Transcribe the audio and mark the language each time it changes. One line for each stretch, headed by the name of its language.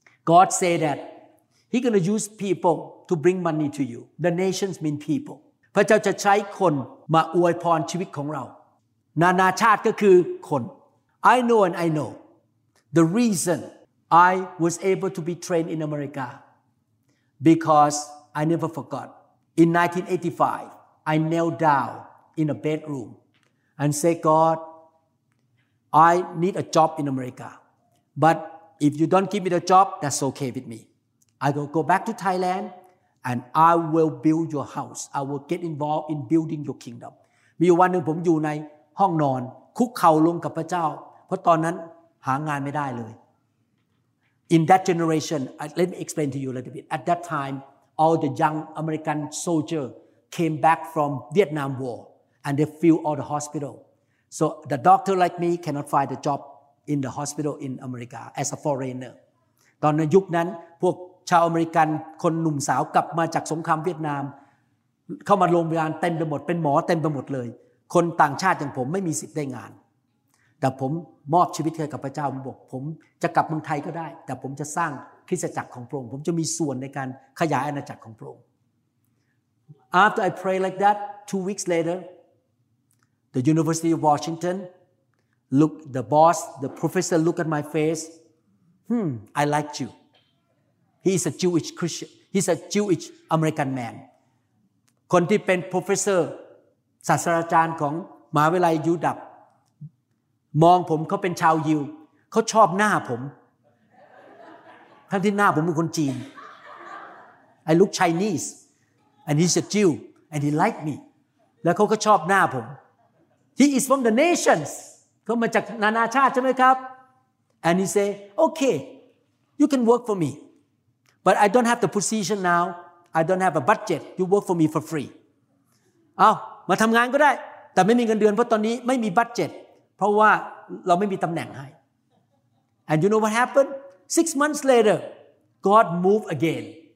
English: God say that he gonna use people to bring money to you the nations mean people
Thai: พระเจ้าจะใช้คนมาอวยพรชีวิตของเรานานาชาติก็คือคน
English: I know and I know the reason I was able to be trained in America because I never forgot in 1985 I knelt down in a bedroom and say GodI need a job in America. But if you don't give me the job, that's okay with me. I will go back to Thailand and I will build your house. I will get involved in building your kingdom.
Thai: มีวันหนึ่งผมอยู่ในห้องนอนคุกเข่าลงกับพระเจ้าเพราะตอนนั้นหางานไม่ได้เลย
English: In that generation, let me explain to you a little bit. At that time, all the young American soldiers came back from Vietnam War and they filled all the hospitals. So the doctor like me cannot find a job in the hospital in America as a foreigner.
Thai: ตอนนั้นยุคนั้นพวกชาวอเมริกันคนหนุ่มสาวกลับมาจากสงครามเวียดนามเข้ามาโรงพยาบาลเต็มไปหมดเป็นหมอเต็มไปหมดเลยคนต่างชาติอย่างผมไม่มีสิทธิ์ได้งาน แต่ผมมอบชีวิตให้กับพระเจ้าบอกผมจะกลับเมืองไทยก็ได้แต่ผมจะสร้างคริสตจักรของพระองค์
English: ผมจะมีส่วนในการขยายอาณาจักรของพระองค์ After I pray like that 2 weeks laterThe University of Washington, look, the boss, the professor look at my face. I like you. He is a Jewish Christian. He's a Jewish American man.
Thai: คนที่เป็น professor ศาสตราจารย์ของมหาวิทยาลัยยูดับมองผมเขาเป็นชาวยิวเขาชอบหน้าผมทั้งที่หน้าผมเป็นคนจีน
English: I look Chinese and he's a Jew and he like me
Thai: แล้วเขาก็ชอบหน้าผม
English: He is from the nations
Thai: เขามาจากนานาชาติใช่ไหมครับ
English: And he say okay you can work for me but I don't have the position now I don't have a budget you work for me for free
Thai: เอามาทำงานก็ได้แต่ไม่มีเงินเดือนเพราะตอนนี้ไม่มีบัดเจ็ตเพราะว่าเราไม่มีตำแหน่งให้
English: And you know what happened 6 months later God moved again